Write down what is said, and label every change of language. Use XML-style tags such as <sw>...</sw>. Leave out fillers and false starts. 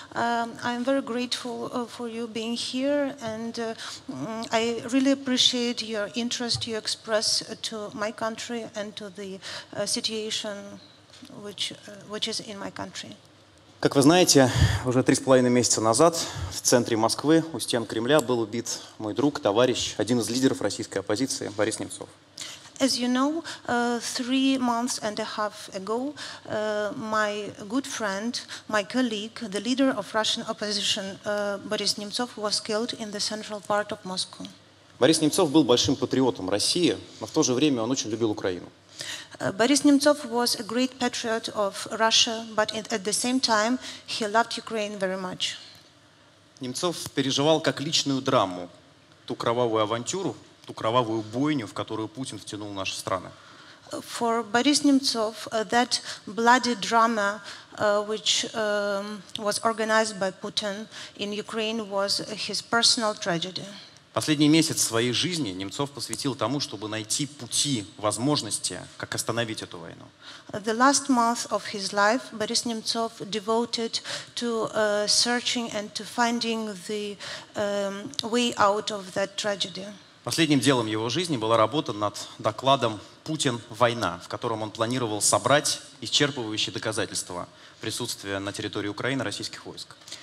<en>I'm very grateful for you being here, and I really appreciate your interest you express to my country and to the situation which is in my country.</en> <ru>Как вы знаете, уже 3.5 месяца назад в центре Москвы, у стен Кремля, был убит мой друг, товарищ, один из лидеров российской оппозиции, Борис Немцов.</ru> <en>As you know, 3 months and a half ago, my good friend, my colleague, the leader of Russian opposition, Boris Nemtsov, was killed in the central part of Moscow.</en> <ru>Борис Немцов был большим патриотом России, но в то же время он очень любил Украину.</ru> <en>Борис Немцов was a great patriot of Russia, but at the same time he loved Ukraine very much.</en> <ru>Немцов переживал как личную драму ту кровавую авантюру. Ту кровавую бойню, в которую Путин втянул наши страны.</ru> <en>For Boris Nemtsov, that bloody drama, which was organized by Putin in Ukraine, was his personal tragedy.</en> <ru>Последний месяц своей жизни Немцов посвятил тому, чтобы найти пути, возможности, как остановить эту войну.</ru> <en>The last month of his life, Boris Nemtsov devoted to searching and to finding the way out of that tragedy.</en> <ru>Последним делом его жизни была работа над докладом «Путин. Война», в котором он планировал собрать исчерпывающие доказательства присутствия на территории Украины российских войск.</ru>